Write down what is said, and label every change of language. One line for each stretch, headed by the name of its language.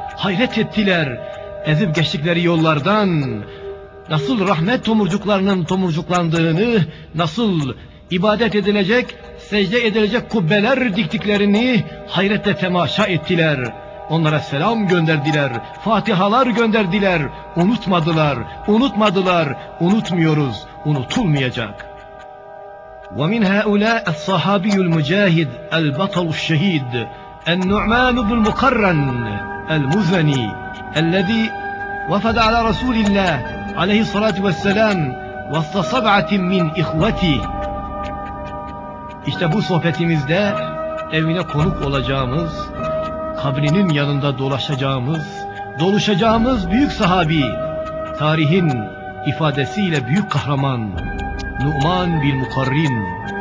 Turkish: Hayret ettiler. Ezip geçtikleri yollardan nasıl rahmet tomurcuklarının tomurcuklandığını, nasıl ibadet edilecek, secde edilecek kubbeler diktiklerini hayretle temaşa ettiler. Onlara selam gönderdiler, fatihalar gönderdiler, unutmadılar, unutmadılar, unutmuyoruz, unutulmayacak.
Arabic: وَمِنْ هَاُولَا الصَّحَابِيُ الْمُجَاهِدِ الْبَطَلُ الشَّهِيدِ النُعْمَانُ بُ الْمُقَرَّنِ الْمُزَنِي الذي وفد على رسول الله عليه الصلاة والسلام وسط سبعة من إخوته.
Turkish: İşte bu sohbetimizde evine konuk olacağımız, kabrinin yanında dolaşacağımız, doluşacağımız büyük sahabi, tarihin ifadesiyle büyük kahraman, Nu'man bin Mukarrin.